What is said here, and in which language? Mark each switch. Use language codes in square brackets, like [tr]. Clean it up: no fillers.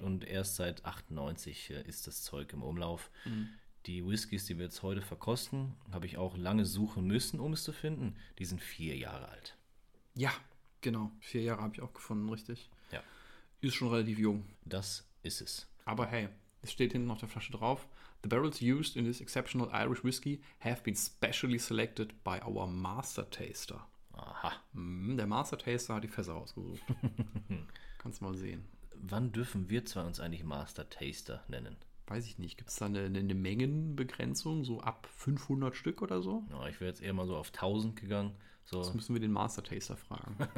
[de] Und erst seit 98 ist das Zeug im Umlauf. Mhm. Die Whiskys, die wir jetzt heute verkosten, habe ich auch lange suchen müssen, um es zu finden. Die sind 4 Jahre alt. Ja, genau. 4 Jahre habe ich auch gefunden, richtig. Ja. Ist schon relativ jung. Das ist es. Aber hey, es steht hinten auf der Flasche drauf. [en] The barrels used in this exceptional Irish whiskey have been specially selected by our master taster. [de] Aha. Der master taster hat die Fässer rausgesucht. Kannst mal sehen. Wann dürfen wir zwar uns eigentlich master taster nennen? Weiß ich nicht. Gibt es da eine Mengenbegrenzung, so ab 500 Stück oder so? Ja, ich wäre jetzt eher mal so auf 1000 gegangen. So. Das müssen wir den Master Taster fragen.